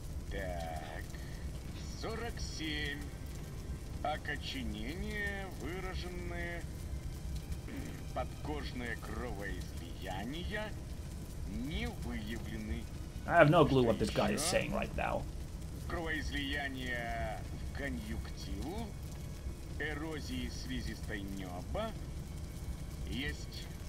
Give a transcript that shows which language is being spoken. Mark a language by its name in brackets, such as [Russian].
[Russian] Так, 47, окоченение выраженное... Подкожное кровоизлияние не выявлены. [English] I have no clue what this guy is saying right now. [Russian] Кровоизлияние в конъюнктиву, эрозии слизистой нёба есть.